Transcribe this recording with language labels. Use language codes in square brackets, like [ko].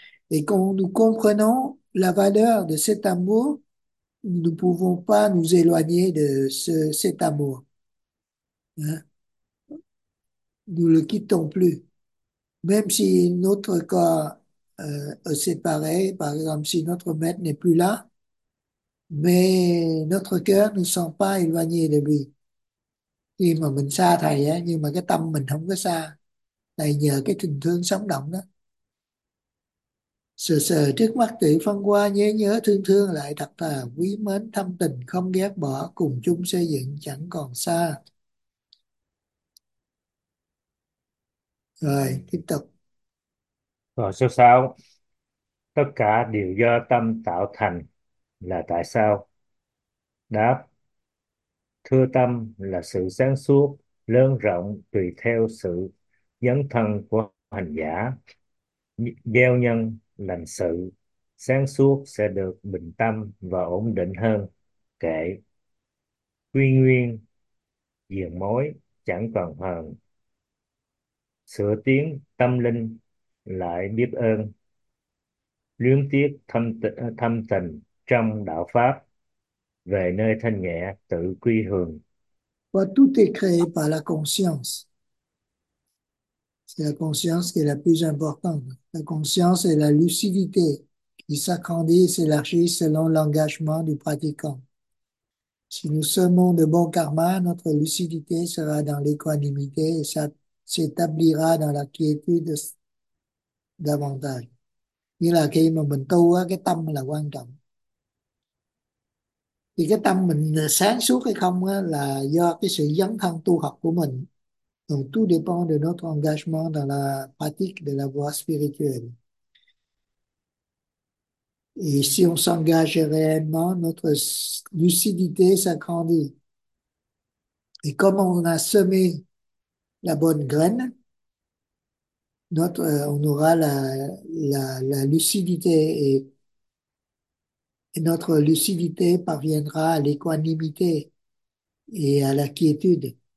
[fr] Et quand nous comprenons la valeur de cet amour, nous ne pouvons pas nous éloigner de cet amour. Hein? Ne le quittons plus. Même si notre corps est séparé, par exemple, si notre maître n'est plus là, Mais notre cœur ne sont pas éloignés de lui. [vi] Khi mà mình xa thầy á, nhưng mà cái tâm mình không có xa. Thầy nhờ cái tình thương sống động đó. Sờ sờ trước mắt tự phân qua nhớ nhớ thương thương lại thật thà quý mến thâm tình không ghét bỏ cùng chung xây dựng chẳng còn xa. Rồi tiếp tục. Rồi số 6. Tất cả đều do tâm tạo thành là tại sao? Đáp: Thưa tâm là sự sáng suốt, lớn rộng tùy theo sự dấn thân của hành giả. Gieo nhân, lành sự, sáng suốt sẽ được bình tâm và ổn định hơn. Kệ: Quy nguyên, diền mối, chẳng còn hờn. Sửa tiến tâm linh lại biết ơn, luyến tiếc thâm tình trong đạo pháp, về nơi thanh nhẹ tự quy hướng. [fr] Và tout est créé par la conscience. C'est la conscience qui est la plus importante. La conscience est la lucidité qui s'agrandit et s'élargit selon l'engagement du pratiquant. Si nous semons de bon karma, notre lucidité sera dans l'équanimité et ça s'établira dans la quiétude davantage. [vi] Nghĩa là khi mà mình tu á, cái tâm là quan trọng. Thì cái tâm mình sáng suốt hay không á, là do cái sự dấn thân tu học của mình. [fr] Donc, tout dépend de notre engagement dans la pratique de la voie spirituelle. Et si on s'engage réellement, notre lucidité s'agrandit. Et comme on a semé la bonne graine, on aura la lucidité et notre lucidité parviendra à l'équanimité et à la quiétude.